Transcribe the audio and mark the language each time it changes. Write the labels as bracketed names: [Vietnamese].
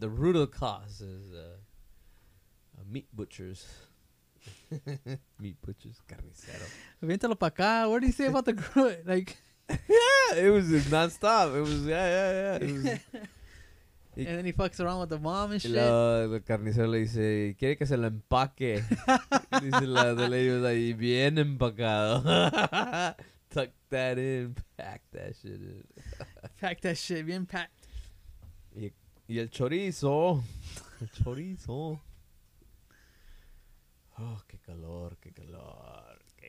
[English] the root of the cause is meat butchers. Meat butchers, carnicero. [Spanish] Véntalo pa' acá. [English] What do you say about the grill? Like, yeah, it was nonstop. It was, yeah. It was, and then he fucks around with the mom and shit. [Spanish] The carnicero le dice, ¿quiere que se lo empaque? Dice [English] the lady was like, [Spanish] bien empacado. [English] Tuck that in, pack that shit in. Pack that shit, bien packed. [Spanish] Y el chorizo. El chorizo. Oh, qué calor, qué calor.